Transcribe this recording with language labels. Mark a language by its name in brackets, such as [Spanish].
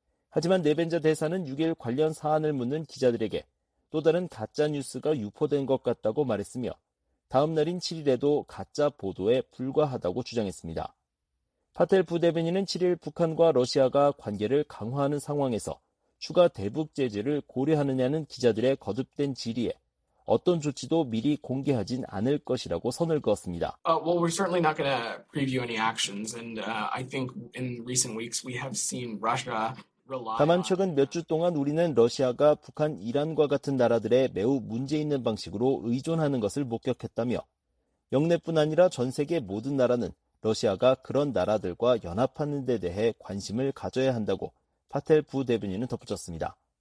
[Korean] 하지만 네벤자 대사는 6일 관련 사안을 묻는 기자들에게 또 다른 가짜 뉴스가 유포된 것 같다고 말했으며 다음 날인 7일에도 가짜 보도에 불과하다고 주장했습니다. 파텔 부대변인은 7일 북한과 러시아가 관계를 강화하는 상황에서 추가 대북 제재를 고려하느냐는 기자들의 거듭된 질의에 어떤 조치도 미리 공개하진 않을 것이라고 선을 그었습니다. [English] Well, we're certainly not going to preview any actions, and I think in recent weeks we have seen Russia rely. [Korean] 다만 최근 몇 주 동안 우리는 러시아가 북한, 이란과 같은 나라들의 매우 문제 있는 방식으로 의존하는 것을 목격했다며 영내뿐 아니라 전 세계 모든 나라는 러시아가 그런 나라들과 연합하는 데 대해 관심을 가져야 한다고 파텔 부대변인은 덧붙였습니다.